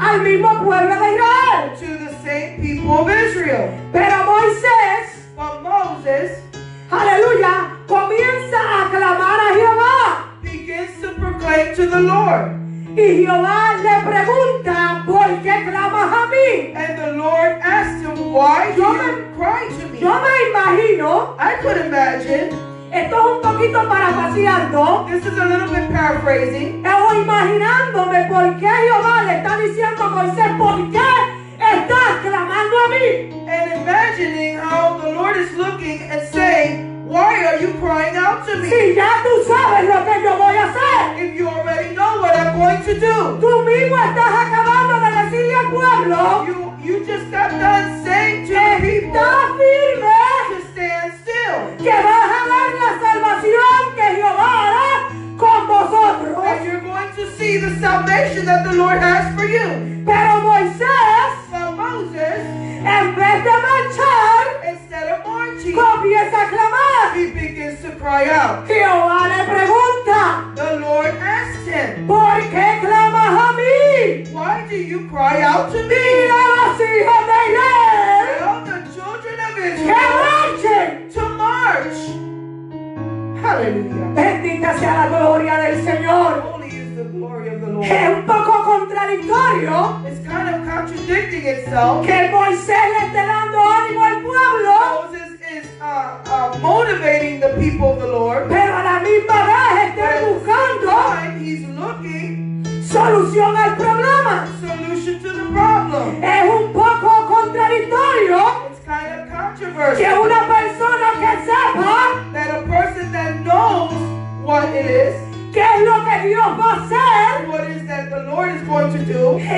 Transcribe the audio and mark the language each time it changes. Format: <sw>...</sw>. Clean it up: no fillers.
<es>al mismo pueblo de Israel,</es> <en>to the same people of Israel.</en> <es>Pero Moisés,</es> <en>but Moses,</en> <es>aleluya, comienza a clamar a Jehová.</es> <en>Begins to proclaim to the Lord.</en> <es>Y Jehová le pregunta, ¿por qué clamas a mí?</es> <en>And the Lord asked him, why do you cry to me?</en> <es>Yo me imagino.</es> <en>I could imagine.</en> <es>Esto es un poquito parafraseando.</es> <en>This is a little bit paraphrasing.</en> <es>Estoy imaginándome por qué Jehová le está diciendo a Moisés, ¿por qué estás clamando a mí?</es> <en>And imagining how the Lord is looking and saying, why are you crying out to me?</en> <es>Si ya tú sabes lo que yo voy a hacer.</es> <en>If you already know what I'm going to do.</en> <es>Tú mismo estás acabando de decirle al pueblo.</es> <en>You just got done saying to the people.</en> <es>Está firme.</es> <en>To stand still.</en> <es>Que vas a dar la salvación que Jehová hará con vosotros.</es> <en>And you're going to see the salvation that the Lord has for you.</en> <es>Pero Moisés.</es> <en>Moses.</en> <es>En vez de marchar.</es> <en>Instead of marching.</en> <es>Comienza a clamar.</es> <en>He begins to cry out.</en> <es>Jehová le pregunta.</es> <en>The Lord asked him.</en> <es>¿Por qué clamas a mí?</es> <en>Why do you cry out to me?</en> <es>Mira los hijos de Israel.</es> <en>Tell the children of Israel.</en> <es>Que marchen.</es> <en>To march. Hallelujah.</en> <es>Bendita sea la gloria del Señor. Es un poco contradictorio.</es> <en>It's kind of contradicting itself.</en> <es>Que Moisés le esté dando ánimo al pueblo.</es> <en>Moses is motivating the people of the Lord.</en> <es>Pero a la misma vez está buscando.</es> <en>He's looking.</en> <es>Solución al problema.</es> <en>Solution to the problem.</en> <es>Es un poco contradictorio.</es> <en>It's kind of controversial.</en> <es>Que una persona que sepa.</es> <en>That a person that knows what it is.</en> <es>¿Qué es lo que Dios va a hacer?</es> <en>What is that the Lord is going to do?</en>